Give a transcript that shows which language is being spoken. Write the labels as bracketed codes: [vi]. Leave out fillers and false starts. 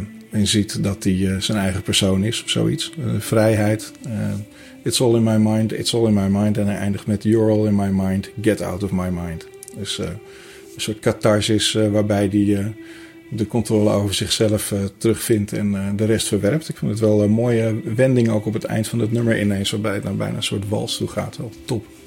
[nl] En ziet dat hij zijn eigen persoon is, of zoiets. Vrijheid. [en] It's all in my mind, it's all in my mind. [nl] En hij eindigt met [en] you're all in my mind, [nl] get out of my mind. Dus een soort catharsis waarbij hij de controle over zichzelf terugvindt en de rest verwerpt. Ik vind het wel een mooie wending ook op het eind van het nummer ineens, waarbij het dan bijna een soort wals toe gaat. Wel top.